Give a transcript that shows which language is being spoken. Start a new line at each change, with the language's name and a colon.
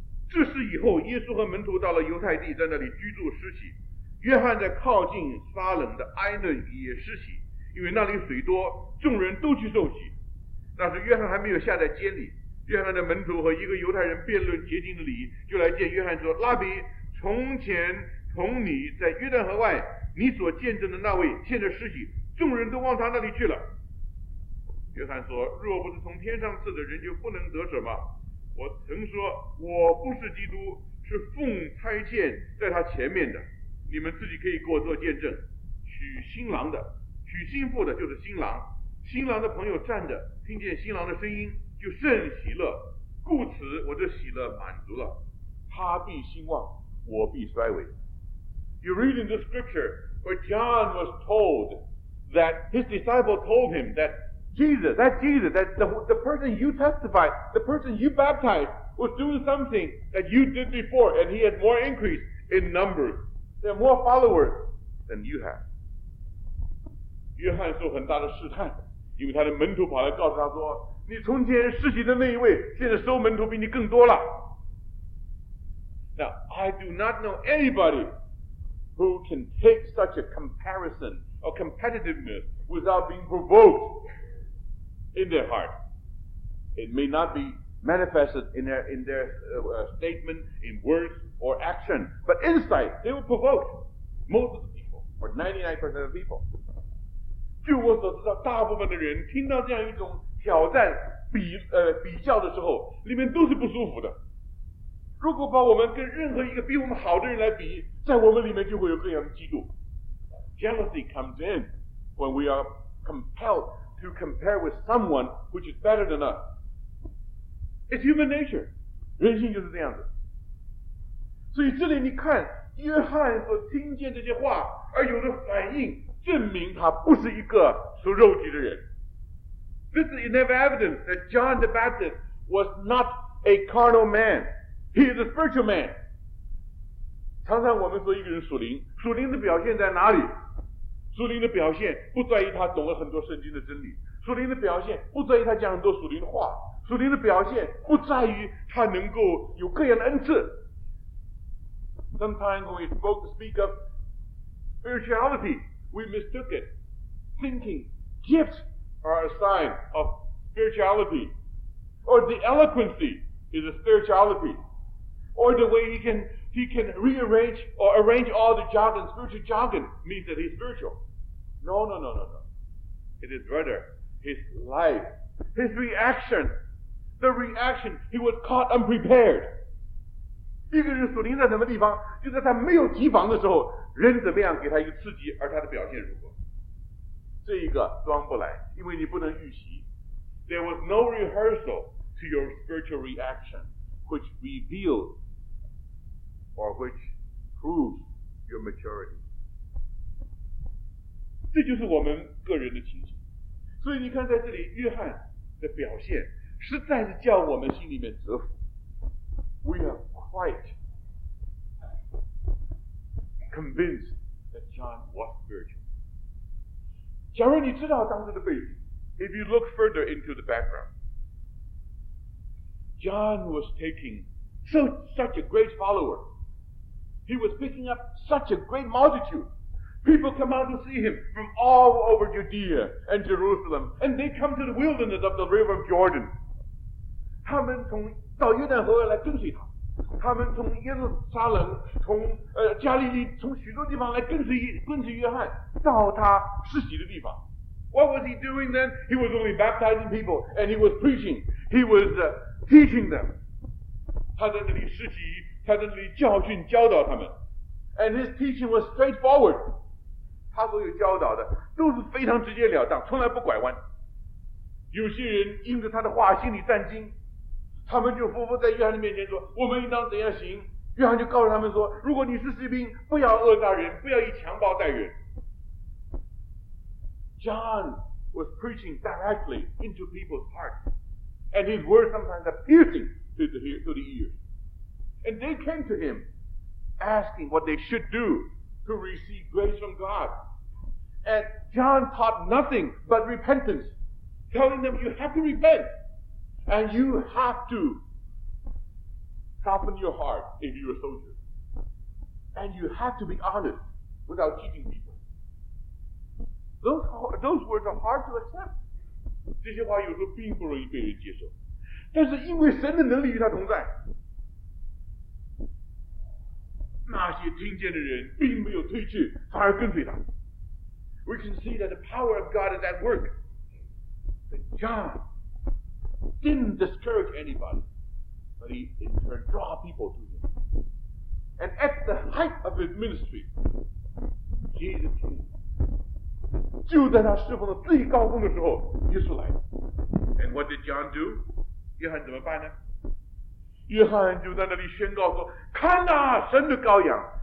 Chinese: 这事以后，耶稣和门徒到了犹太地，在那里居住施洗。约翰在靠近撒冷的埃嫩也施洗，因为那里水多，众人都去受洗。那时约翰还没有下在监里，约翰的门徒和一个犹太人辩论洁净的礼，就来见约翰说：“拉比，从前同你在约旦河外你所见证的那位，现在施洗，众人都往他那里去了。” 约翰说：“若不是从天上赐的，人就不能得什么。我曾说我不是基督，是奉差遣在他前面的，你们自己可以给我做见证。娶新郎的，娶新妇的，就是新郎，新郎的朋友站着听见新郎的声音就甚喜乐，故此我这喜乐满足了。他必兴旺，我必衰微。”
English: You read in the scripture where John was told that his disciple told him that Jesus, that the person you testified, the person you baptized was doing something that you did before, and he had more increase in numbers. There are more followers than you have.
Chinese: 约翰受很大的试探，因为他的门徒跑来告诉他说，你从前施洗的那一位，现在收门徒比你更多了。
English: Now, I do not know anybody who can take such a comparison or competitiveness without being provoked in their heart. It may not be manifested in their statement, in words or action, but inside, they will provoke most of the people, or 99% of the people.
Chinese: 据我所知道，大部分的人听到这样一种挑战比较的时候，里面都是不舒服的。如果把我们跟任何一个比我们好的人来比，在我们里面就会有各样的嫉妒。
English: Jealousy comes in when we are compelled to compare with someone which is better than us. It's human nature.
Chinese: 人性就是这样子。所以这里你看，约翰所听见这些话而有的反应，证明他不是一个属肉体的人。
English: This is enough evidence that John the Baptist was not a carnal man. He is a spiritual man.
Chinese: 常常我们说一个人属灵，属灵的表现在哪里？属灵的表现不在于他懂了很多圣经的真理，属灵的表现不在于他讲很多属灵的话，属灵的表现不在于他能够有各样的恩赐。
English: Sometimes when we speak of spirituality, we mistook it, thinking gifts are a sign of spirituality, or the eloquency is a spirituality, or the way he can rearrange or arrange all the jargon, spiritual jargon, means that he's spiritual. No. It is rather his life, his reaction, the reaction, he was caught unprepared.
Chinese: 一个人属灵在什么地方，就在他没有提防的时候，人怎么样给他一个刺激，而他的表现如何。这一个装不来，因为你不能预习。
English: There was no rehearsal to your spiritual reaction, which revealed or which proves your maturity.
Chinese: 这就是我们个人的情形。所以你看在这里，约翰的表现实在是叫我们心里面折服。
English: We are quite convinced that John was spiritual.
Chinese: 假如你知道当时的背景，
English: If you look further into the background, John was taking such a great follower. He was picking up such a great multitude. People come out to see him from all over Judea and Jerusalem, and they come to the wilderness of the river of Jordan.
Chinese: 他们从到约旦河来跟随他，他们从耶路撒冷，从加利利，从许多地方来跟随约翰到他施洗的地方。
English: What was he doing then? He was only baptizing people, and he was preaching. He was teaching them.
Chinese: 他在那里施洗，他在那里教训教导他们。
English: And his teaching was straightforward.
Chinese: 他所有教导的都是非常直截了当，从来不拐弯。有些人因着他的话心里战惊，他们就匍匐在约翰的面前说，我们应当怎样行。约翰就告诉他们说，如果你是士兵，不要恶待人，不要以强暴待人。
English: John was preaching directly into people's hearts, and his words sometimes are piercing to the ears. And they came to him asking what they should do to receive grace from God. And John taught nothing but repentance, telling them, you have to repent, and you have to soften your heart if you're a soldier. And you have to be honest without cheating people. Those words are hard to accept.
Chinese: 这些话有时候并不容易被人接受。但是因为神的能力与他同在, 那些听见的人并没有退去, 反而跟随他。
English: We can see that the power of God is at work. That John didn't discourage anybody, but he in turn draw people to him. And at the height of his ministry, Jesus came.
Chinese: 就在他侍奉的最高峰的时候, 耶稣来。
English: And what did John do?
Chinese: 约翰怎么办呢? 约翰就在那里宣告说, 看啊,神的羔羊。